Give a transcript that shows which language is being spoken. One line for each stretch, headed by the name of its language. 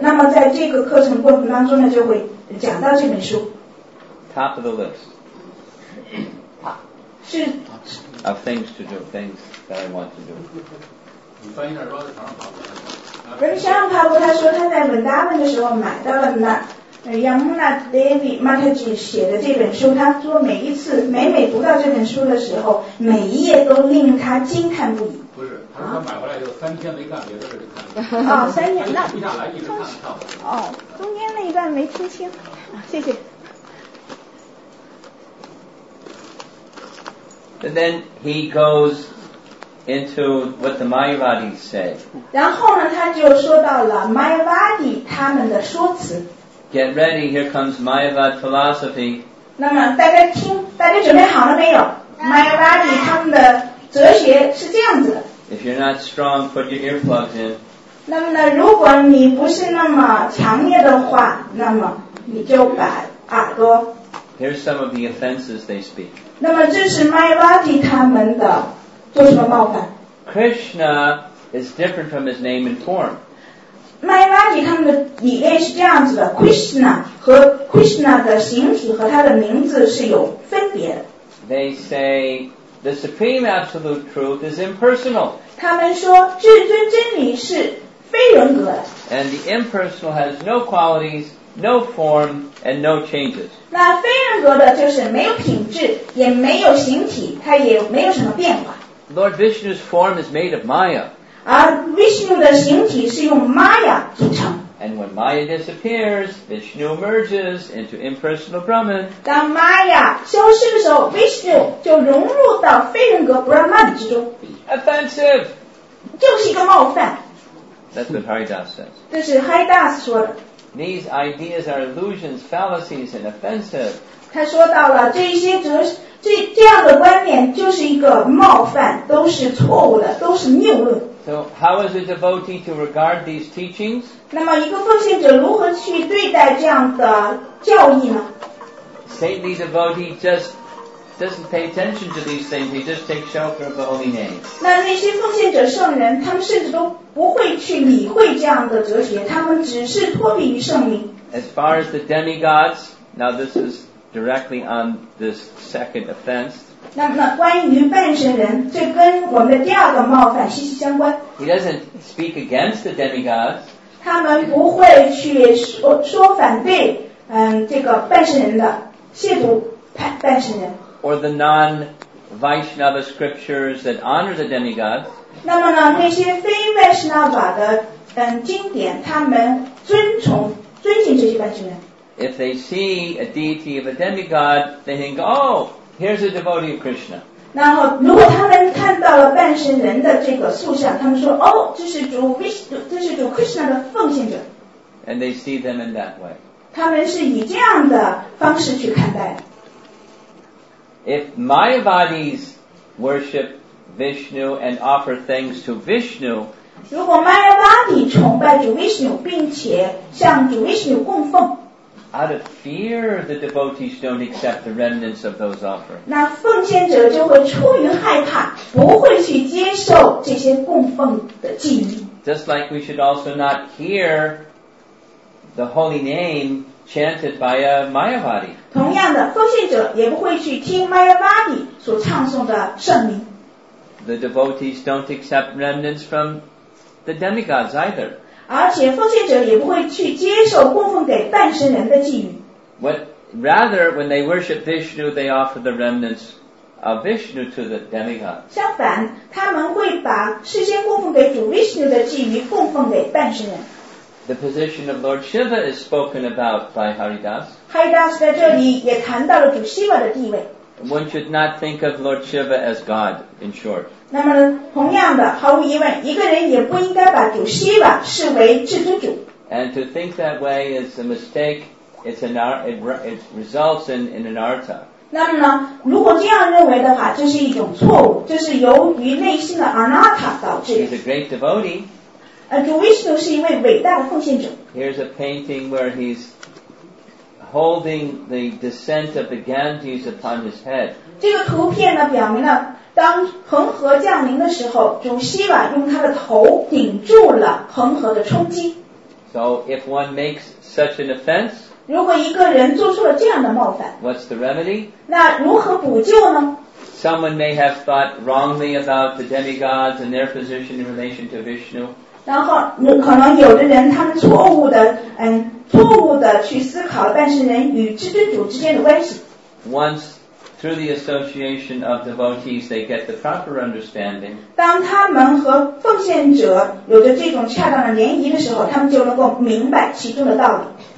Chinese: 那么在这个课程过程当中呢，就会讲到这本书。
English: Top of the list.
Chinese: 是
English: of things to do, things that I want to do. Ravishan Prabhu, he said he was in Vrindavan when he bought the Yamuna Devi Mataji
Chinese: 写的这本书，他说每一次每每读到这本书的时候，每一页都令他惊叹不已。不是，他说他买回来就三天没干别的事就看。三天，那一下来一直看。中间那一段没听清，谢谢。
English: And then he goes into what the Mayavadis say.
Chinese: 然后呢，他就说到了 Mayavadi 他们的说辞。
English: Get ready, here comes Mayavad philosophy.
Chinese: 那么大家听，大家准备好了没有？ Mayavadi 他们的哲学是这样子的。
English: If you're not strong, put your earplugs in.
Chinese: 那么呢，如果你不是那么强烈的话，那么你就把耳朵。
English: Here's some of the offenses they speak.
Chinese: 那么这是 Mayavadi 他们的做什么冒犯？
English: Krishna is different from his name and form.
Chinese: Mayavadi 他们的理念是这样子的， Krishna 和 Krishna 的形体和他的名字是有分别的。
English: They say the supreme absolute truth is impersonal.
Chinese: 他们说至尊真理是非人格的。
English: And the impersonal has no qualities,No form and no changes.
Chinese: 那非人格的就是没有品质，也没有形体，它也没有什么变化。
English: Lord Vishnu's form is made of Maya.
Chinese: 而 Vishnu 的形体是用 Maya 组成。
English: And when Maya disappears, Vishnu merges into impersonal Brahman.
Chinese: 当 Maya 消失的时候， Vishnu 就融入到非人格 Brahman 之中。
English: Offensive.
Chinese: 就是一个冒犯。
English: That's what Haridas says.
Chinese: 这是 Haridas 说的。
English: These ideas are illusions, fallacies, and offensive.
Chinese: 他说到了这一些哲这这样的观点就是一个冒犯，都是错误的，都是谬论。
English: So how is a devotee to regard these teachings?
Chinese: 那么一个奉献者如何去对待这样的教义呢？
English: Saintly devotee just doesn't pay attention to these things. He just takes shelter of the holy name.
Chinese: 那些奉献者圣人，他们甚至都。不会去理会这样的哲学，他们只是脱离于圣名。
English: As far as the demigods, now this is directly on this second offense.
Chinese: 那关于半神人，这跟我们的第二个冒犯息息相关。
English: He doesn't speak against the demigods.
Chinese: 他们不会去 说反对这个半圣人的亵渎半圣人
English: or the non-Vaishnava scriptures that honor the demigods
Chinese: 那么呢那些非 Vaishnava 的经典他们尊敬这些半圣人
English: If they see a deity of a demigod, they think, oh, here's a devotee of Krishna.
Chinese: 然后如果他们看到了半身人的这个塑像他们说哦这是主 Vishnu, 这是主 Krishna 的奉献者。
English: And they see them in that way.
Chinese: 他们是以这样的方式去看待。
English: If Mayavadis worship Vishnu and offer things to Vishnu,
Chinese: 如果 Mayavadi 崇拜主 Vishnu, 并且向主 Vishnu 供奉
English: Out of fear, the devotees don't accept the remnants of those offerings.
Chinese: 那奉献者就会出于害怕，不会去接受这些供奉的祭品。
English: Just like we should also not hear the holy name chanted by a Mayavadi.
Chinese: 同样的，奉献者也不会去听 Mayavadi 所唱诵的圣名。
English: The devotees don't accept remnants from the demigods either.
Chinese: 而且奉献者也不会去接受供奉给半身人的祭品。
English: What, rather, when they worship Vishnu, they offer the remnants of Vishnu to the demigod.
Chinese: 相反，他们会把事先供奉给主 Vishnu 的祭品供奉给半身人。
English: The position of Lord Shiva is spoken about by Haridas.
Chinese: Haridas 在这里也谈到了主 Shiva 的地位。
English: One should not think of Lord Shiva as God, in short.
Chinese: 那么同样的毫无疑问一个人也不应该把主 Shiva 视为至尊主。
English: And to think that way is a mistake, it results in anartha.
Chinese: 那么呢如果这样认为的话这是一种错误这是由于内心的 anartha 导致。
English: He's a great devotee.
Chinese: 主 Vishnu 是一位伟大的奉献者。
English: Here's a painting where he's... holding the descent of the Ganges upon his head.
Chinese: 这个图片呢表明了当恒河降临的时候主希瓦用他的头顶住了恒河的冲击。
English: So if one makes such an offense,
Chinese: 如果一个人做出了这样的冒犯
English: what's the remedy?
Chinese: 那如何补救呢
English: Someone may have thought wrongly about the demigods and their position in relation to Vishnu.
Chinese: 然后可能有的人他们错误的去思考但是人与至尊主之间的关系
English: Once through the association of devotees they get the proper understanding
Chinese: 当他们和奉献者有着这种恰当的联谊的时候他们就能够明白其中的道理